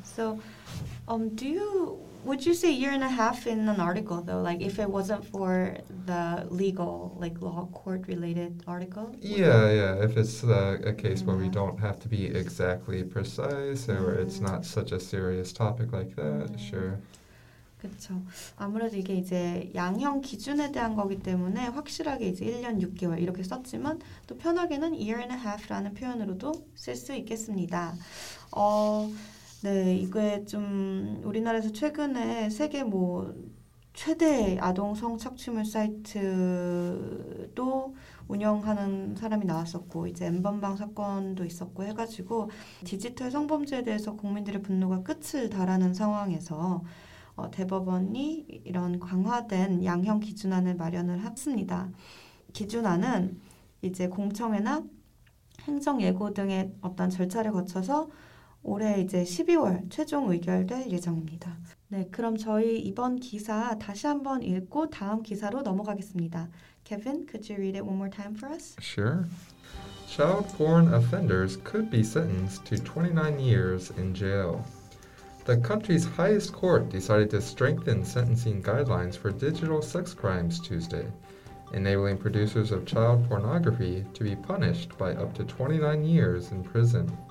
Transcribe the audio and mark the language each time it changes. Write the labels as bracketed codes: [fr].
[en] So, would you say year and a half in an article, though? Like, if it wasn't for the legal, like, law court-related article? Yeah. If it's a case where we don't have to be exactly precise or it's not such a serious topic like that, sure. [ko] 그렇죠. 아무래도 이게 이제 양형 기준에 대한 거기 때문에 확실하게 이제 1년 6개월 이렇게 썼지만 또 편하게는 year and a half라는 표현으로도 쓸 수 있겠습니다. 네, 이게 좀 우리나라에서 최근에 세계 뭐 최대 아동 성착취물 사이트도 운영하는 사람이 나왔었고 이제 N번방 사건도 있었고 해가지고 디지털 성범죄에 대해서 국민들의 분노가 끝을 달하는 상황에서 대법원이 이런 강화된 양형 기준안을 마련을 했습니다. 기준안은 이제 공청회나 행정예고 등의 어떤 절차를 거쳐서 올해 이제 12월 최종 의결될 예정입니다. 네, 그럼 저희 이번 기사 다시 한번 읽고 다음 기사로 넘어가겠습니다. [en] Kevin, could you read it one more time for us? Sure. Child porn offenders could be sentenced to 29 years in jail. The country's highest court decided to strengthen sentencing guidelines for digital sex crimes Tuesday, enabling producers of child pornography to be punished by up to 29 years in prison.